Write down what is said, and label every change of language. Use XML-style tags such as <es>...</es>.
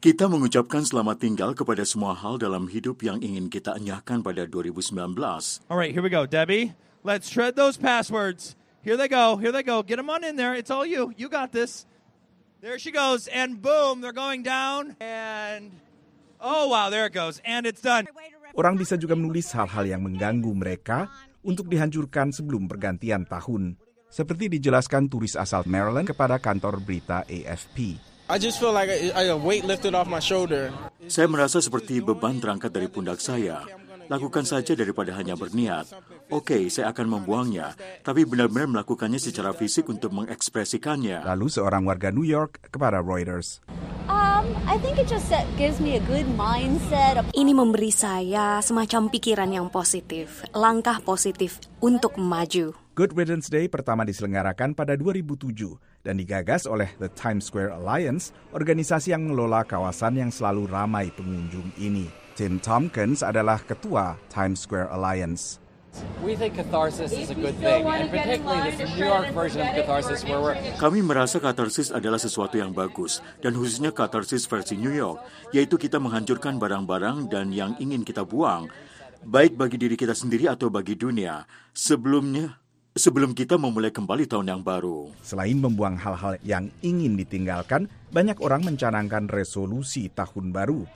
<id>Kita mengucapkan selamat tinggal kepada semua hal dalam hidup yang ingin kita enyahkan pada 2019.</id> <en>All right, here we go, Debbie. Let's shred those passwords. Here they go. Get them on in there. It's all you. You got this. There she goes, and boom, they're going down, and oh wow, there it goes, and it's done.</en> <id>Orang bisa juga menulis hal-hal yang mengganggu mereka untuk dihancurkan sebelum pergantian tahun. Seperti dijelaskan turis asal Maryland kepada kantor berita AFP.</id> <en>I just feel like a weight lifted off my shoulder.</en> <id>Saya merasa seperti beban terangkat dari pundak saya. Lakukan saja daripada hanya berniat. Okay, saya akan membuangnya, tapi benar-benar melakukannya secara fisik untuk mengekspresikannya. Lalu seorang warga New York kepada Reuters.</id> <en>I think it just gives me a good mindset.</en> <id>Ini memberi saya semacam pikiran yang positif, langkah positif untuk maju. Good Riddance Day pertama diselenggarakan pada 2007 dan digagas oleh The Times Square Alliance, organisasi yang mengelola kawasan yang selalu ramai pengunjung ini. Tim Tompkins adalah ketua Times Square Alliance.</id> <en>We think catharsis is a good thing, and particularly this New York version of catharsis where we're.</en> <id>Kami merasa katarsis adalah sesuatu yang bagus, dan khususnya katarsis versi New York, yaitu kita menghancurkan barang-barang dan yang ingin kita buang, baik bagi diri kita sendiri atau bagi dunia. Sebelum kita memulai kembali tahun yang baru. Selain membuang hal-hal yang ingin ditinggalkan, banyak orang mencanangkan resolusi tahun baru.</id>